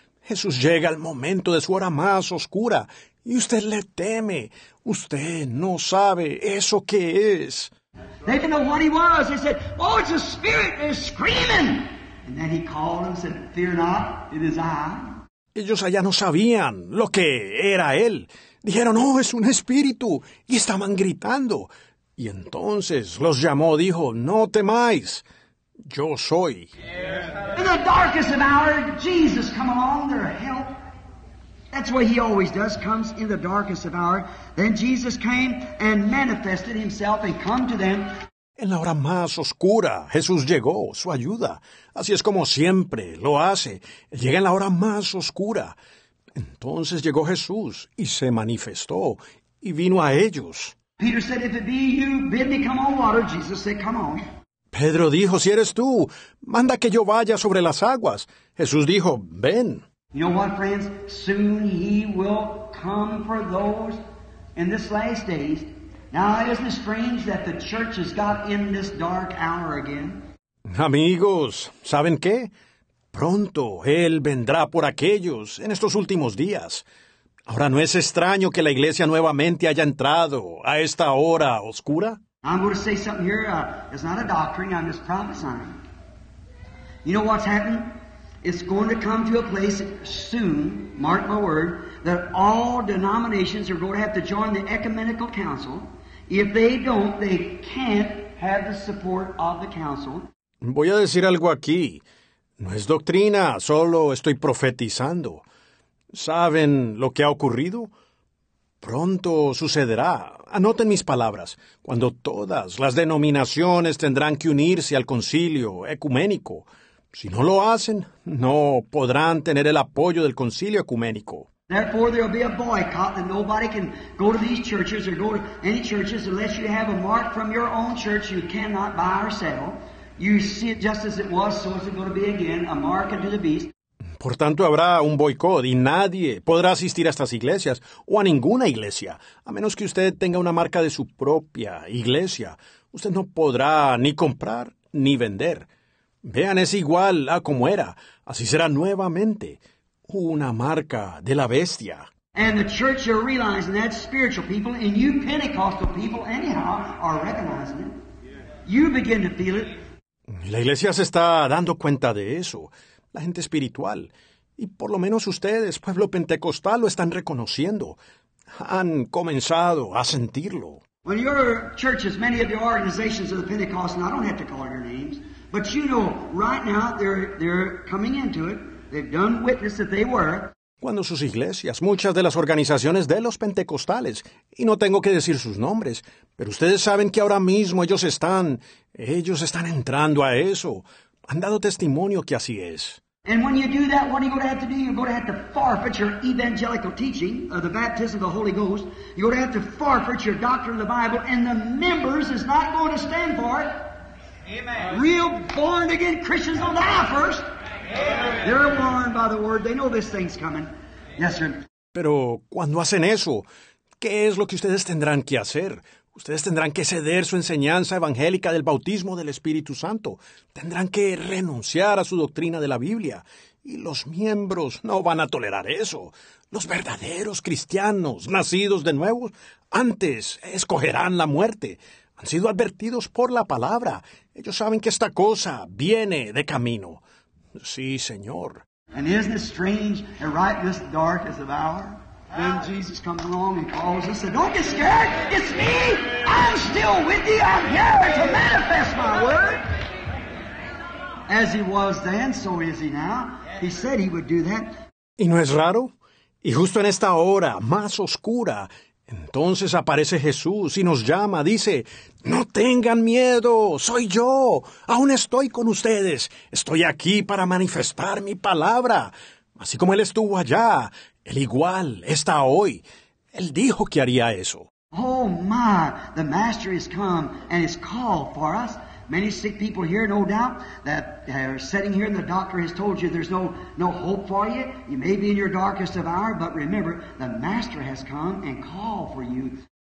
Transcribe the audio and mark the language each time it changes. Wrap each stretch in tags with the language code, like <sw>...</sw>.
<es>Jesús llega al momento de su hora más oscura, y usted le teme. Usted no sabe eso qué es.</es> <en>They didn't know what he was. They said, "Oh, it's a spirit, and it's screaming." And then he called and said, "Fear not, it is I."</en> <es>Ellos allá no sabían lo que era él. Dijeron, "Oh, es un espíritu." Y estaban gritando. Y entonces los llamó, dijo, "No temáis, yo soy."</es> <en>Yeah. In the darkest of hour, Jesus come along, their help. That's what he always does, comes in the darkest of hour. Then Jesus came and manifested himself and come to them.</en> <es>En la hora más oscura, Jesús llegó, su ayuda. Así es como siempre lo hace. Llega en la hora más oscura. Entonces llegó Jesús y se manifestó y vino a ellos.</es> <en>Peter said, "If it be you, bid me come on water." Jesus said, "Come on."</en> <es>Pedro dijo, "Si eres tú, manda que yo vaya sobre las aguas." Jesús dijo, "Ven."</es> <en>You know what, friends? Soon he will come for those in this last days. Now, isn't it strange that the church has got in this dark hour again?</en> <es>Amigos, ¿saben qué? Pronto él vendrá por aquellos en estos últimos días. Ahora, ¿no es extraño que la iglesia nuevamente haya entrado a esta hora oscura?</es> <en>I'm going to say something here. It's not a doctrine. I'm just prophesying. You know what's happened? It's going to come to a place soon, mark my word, that all denominations are going to have to join the ecumenical council If they don't, they can't have the support of the council.</en> <es>Voy a decir algo aquí. No es doctrina, solo estoy profetizando. ¿Saben lo que ha ocurrido? Pronto sucederá. Anoten mis palabras. Cuando todas las denominaciones tendrán que unirse al concilio ecuménico. Si no lo hacen, no podrán tener el apoyo del concilio ecuménico.</es> <en>Therefore, there will be a boycott and nobody can go to these churches or go to any churches unless you have a mark from your own church you cannot buy or sell. You see it just as it was, so is it going to be again, a mark unto the beast.</en> <es>Por tanto, habrá un boicot y nadie podrá asistir a estas iglesias o a ninguna iglesia, a menos que usted tenga una marca de su propia iglesia. Usted no podrá ni comprar ni vender. Vean, es igual a como era. Así será nuevamente. Una marca de la bestia.</es> <en>And the church are realizing that spiritual people and you Pentecostal people anyhow are recognizing it. You begin to feel it.</en> <es>La iglesia se está dando cuenta de eso. La gente espiritual. Y por lo menos ustedes, pueblo pentecostal, lo están reconociendo. Han comenzado a sentirlo.</es> <en>When your churches, many of the organizations of the Pentecost, and I don't have to call your names, but you know, right now they're coming into it. They've done witness that they were.</en> <es>Cuando sus iglesias, muchas de las organizaciones de los pentecostales, y no tengo que decir sus nombres, pero ustedes saben que ahora mismo ellos están entrando a eso. Han dado testimonio que así es.</es> <en>And when you do that, what are you going to have to do? You're going to have to forfeit your evangelical teaching of the baptism of the Holy Ghost. You're going to have to forfeit your doctrine of the Bible, and the members is not going to stand for it. Amen. Real born-again Christians will die first. They're warned by the word. They know this thing's coming. Yes, sir.</en> <es>Pero cuando hacen eso, ¿qué es lo que ustedes tendrán que hacer? Ustedes tendrán que ceder su enseñanza evangélica del bautismo del Espíritu Santo. Tendrán que renunciar a su doctrina de la Biblia. Y los miembros no van a tolerar eso. Los verdaderos cristianos nacidos de nuevo antes escogerán la muerte. Han sido advertidos por la palabra. Ellos saben que esta cosa viene de camino. Sí, Señor.</es> <en>And isn't it strange that right in this darkest of hour, then Jesus comes along and calls us and don't get scared, it's me, I'm still with you, I'm here to manifest my word. As he was then, so is he now. He said he would do that.</en> <es>¿Y no es raro? Y justo en esta hora más oscura, entonces aparece Jesús y nos llama, dice, no tengan miedo, soy yo, aún estoy con ustedes, estoy aquí para manifestar mi palabra. Así como Él estuvo allá, Él igual está hoy. Él dijo que haría eso.</es> <en>Oh my, the Master has come and has called for us. Many sick people here, no doubt, that are sitting here and the doctor has told you there's no hope for you. You may be in your darkest of hour, but remember, the Master has come and called for you.</en>